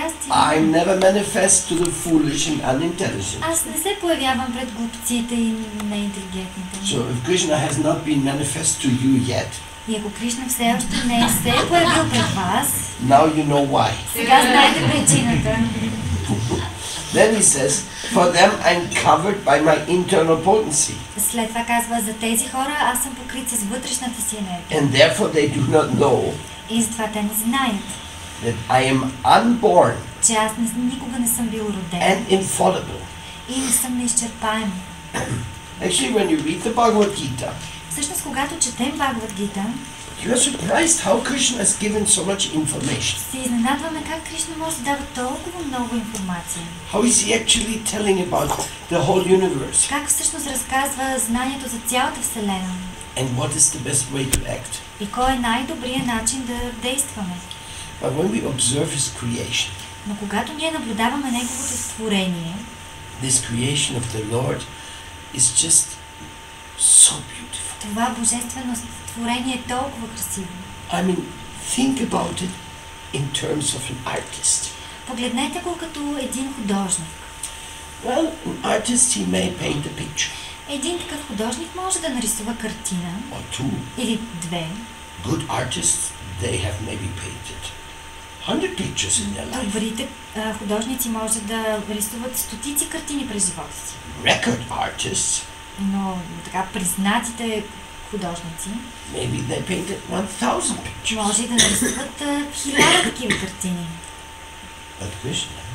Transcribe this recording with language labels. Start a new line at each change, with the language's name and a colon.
English: I'm never manifest to the foolish and unintelligent. So if Krishna has not been manifest to you yet,
Bulgarian: и ако Кришна все още не е се появил пред вас,
English: now you know why.
Bulgarian: Сега знаете причината.
English: Then he says, for them I'm covered by my internal potency.
Bulgarian: След това казва, за тези хора аз съм покрит с вътрешната си енергия.
English: And therefore they do not know.
Bulgarian: И затова те не знаят.
English: That I am unborn.
Bulgarian: Че аз никога не съм бил роден.
English: And infallible.
Bulgarian: И съм неизчерпаем.
English: Actually, when you read the Bhagavad Gita,
Bulgarian: всъщност, когато четем Бхагавад Гита,
English: you are surprised how Krishna has given so much information.
Bulgarian: Се изненадваме как Кришна може да дава толкова много информация.
English: How is he actually telling about the whole universe?
Bulgarian: Как всъщност разказва знанието за цялата Вселена?
English: And what is the best way to act?
Bulgarian: И кой е най-добрият начин да действаме?
English: But when we observe his creation,
Bulgarian: но когато ние наблюдаваме неговото творение,
English: this creation of the Lord is just so beautiful.
Bulgarian: Това божествено творение е толкова красиво.
English: I mean, think about it in terms of an artist.
Bulgarian: Погледнете го като един художник.
English: Well, an artist, he may paint a picture.
Bulgarian: Един такъв художник може да нарисува картина.
English: Or two.
Bulgarian: Или две.
English: Good artists, they have maybe painted 100 pictures in their life.
Bulgarian: Добрите художници може да рисуват стотици картини през живота си.
English: Record artists,
Bulgarian: но така признатите художници,
English: maybe they painted 1000 pictures.
Bulgarian: Може да нарисуват 1000 такива картини.
English: But Krishna,